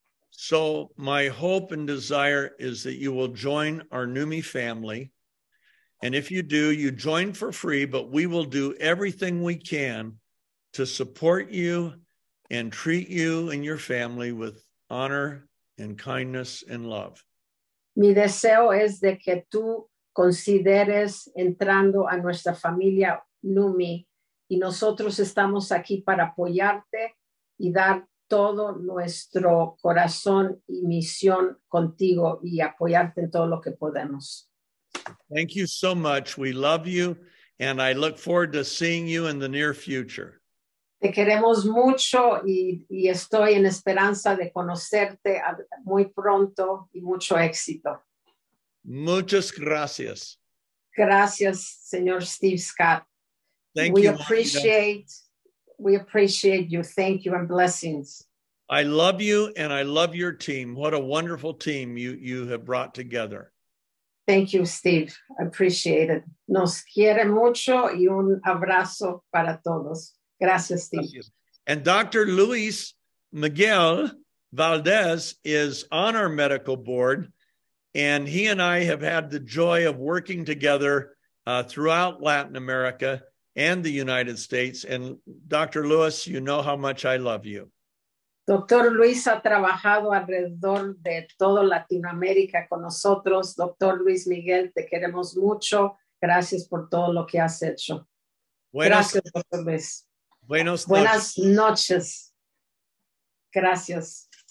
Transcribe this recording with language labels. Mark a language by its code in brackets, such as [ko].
[en] So my hope and desire is that you will join our NUMMI family. And if you do, you join for free, but we will do everything we can to support you and treat you and your family with honor and kindness and love. [es] Mi deseo es de que tú consideres entrando a nuestra familia NUMMI, y nosotros estamos aquí para apoyarte y dar todo nuestro corazón y misión contigo y apoyarte en todo lo que podemos. [en] Thank you so much. We love you, and I look forward to seeing you in the near future. [es] Te queremos mucho, y estoy en esperanza de conocerte muy pronto, y mucho éxito. Muchas gracias. Gracias, señor Steve Scott. [en] Thank you. We appreciate you. Thank you and blessings. I love you and I love your team. What a wonderful team you have brought together. Thank you, Steve. I appreciate it. [es] Nos quiere mucho, y un abrazo para todos. Gracias, Steve. [en] And Dr. Luis Miguel Valdez is on our medical board, and he and I have had the joy of working together throughout Latin America and the United States. And Dr. Luis, you know how much I love you. [es] Doctor Luis ha trabajado alrededor de todo Latinoamérica con nosotros. Doctor Luis Miguel, te queremos mucho. Gracias por todo lo que has hecho. Gracias, Doctor Luis. Buenas noches. Gracias.